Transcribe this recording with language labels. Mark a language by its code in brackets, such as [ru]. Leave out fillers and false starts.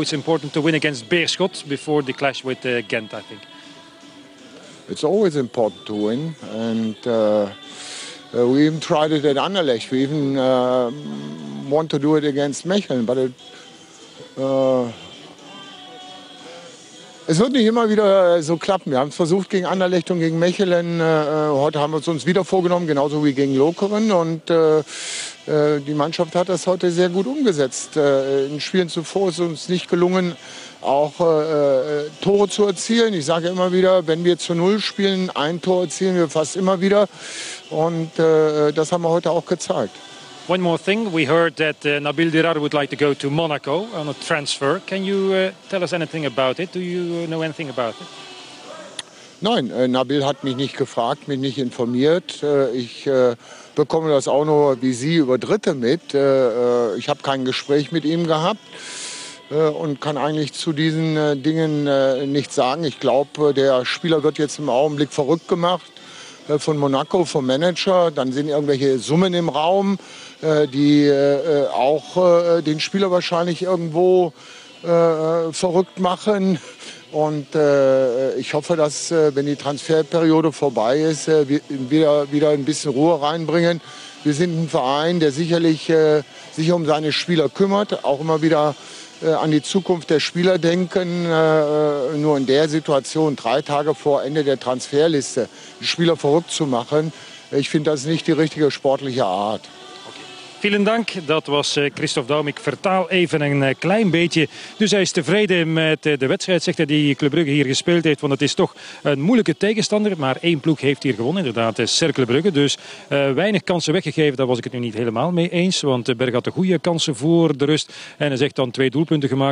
[en] It's important to win against Beerschot before the clash with Ghent, I think. It's always important to win, and we even tried it at Anderlecht. We even want to do it against Mechelen, but it... [de] Es wird nicht immer wieder so klappen. Wir haben es versucht gegen Anderlecht und gegen Mechelen. Heute haben wir es uns wieder vorgenommen, genauso wie gegen Lokeren. Und die Mannschaft hat das heute sehr gut umgesetzt. In Spielen zuvor ist es uns nicht gelungen, auch Tore zu erzielen. Ich sage immer wieder, wenn wir zu Null spielen, ein Tor erzielen wir fast immer wieder. Und das haben wir heute auch gezeigt. [en] One more thing, we heard that Nabil Dirar would like to go to Monaco on a transfer. Can you tell us anything about it? Do you know anything about it? [de] Nein, Nabil hat mich nicht gefragt, mich nicht informiert. Ich bekomme das auch nur wie Sie über Dritte mit. Ich habe kein Gespräch mit ihm gehabt und kann eigentlich zu diesen Dingen nichts sagen. Ich glaube, der Spieler wird jetzt im Augenblick verrückt gemacht von Monaco, vom Manager. Dann sind irgendwelche Summen im Raum, die auch den Spieler wahrscheinlich irgendwo verrückt machen. Und ich hoffe, dass, wenn die Transferperiode vorbei ist, wir wieder ein bisschen Ruhe reinbringen. Wir sind ein Verein, der sicherlich sich um seine Spieler kümmert, auch immer wieder an die Zukunft der Spieler denken. Nur in der Situation, 3 Tage vor Ende der Transferliste, die Spieler verrückt zu machen, ich finde das nicht die richtige sportliche Art. Vielen Dank, [nl] dat was [de] Christophe Daum. [nl] Ik vertaal even een klein beetje. Dus hij is tevreden met de wedstrijd, zegt hij, die Club Brugge hier gespeeld heeft. Want het is toch een moeilijke tegenstander. Maar 1 ploeg heeft hier gewonnen, inderdaad, Cercle Brugge. Dus weinig kansen weggegeven, daar was ik het nu niet helemaal mee eens. Want Berg had de goede kansen voor de rust. En hij zegt dan 2 doelpunten gemaakt.